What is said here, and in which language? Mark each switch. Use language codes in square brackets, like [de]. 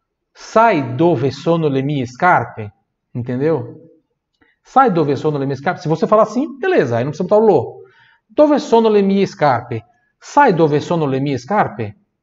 [it] Sai dove sono le mie scarpe? [pt] Entendeu? [it] Sai dove sono le mie scarpe? [pt] Se você falar assim, beleza, aí não precisa botar o lo. [it] Dove sono le mie scarpe? Sai dove sono le mie scarpe?